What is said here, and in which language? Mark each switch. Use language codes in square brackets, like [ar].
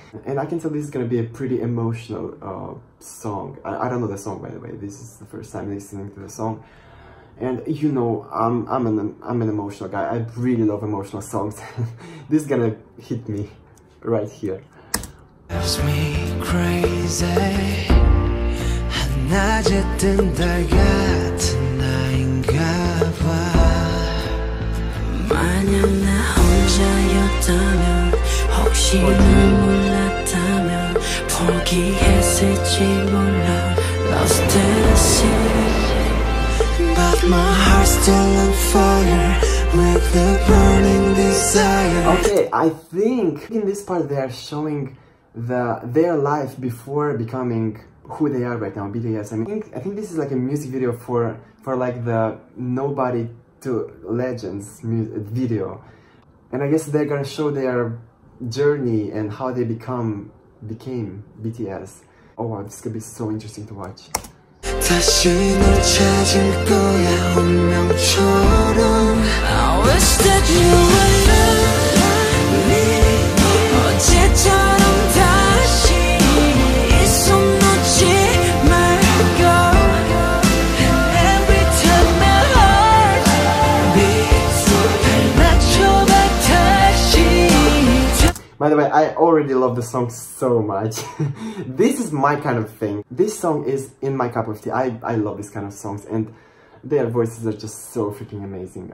[en] And I can tell this is gonna be a pretty emotional song. I don't know the song, by the way. This is the first time listening to the song. And you know, I'm an emotional guy. I really love emotional songs. This is gonna hit me right here. Drives me crazy. [ko] 낮에 뜬 달 같은 나인가 봐. 만약 나 혼자였다면, 혹시 널 몰랐다면, 포기했을지 몰라. [en] Lost in the sea. My heart's still on fire with the burning desire. Okay, I think in this part they are showing their life before becoming who they are right now, BTS. I think this is like a music video for like the Nobody to Legends video. And I guess they're gonna show their journey and how they became BTS. Oh wow, this could be so interesting to watch. [ko] 다시 널 찾을 거야 운명처럼. [en] I wish that you would love me. [ko] 어제처럼 다시 이 손 놓지 말고. [en] Every time my heart beats, [ko] 맞춰 [en] back [ko] 다시. [en] By the way, I already love the song so much. This is my kind of thing. This song is in my cup of tea. I love this kind of songs, and their voices are just so freaking amazing.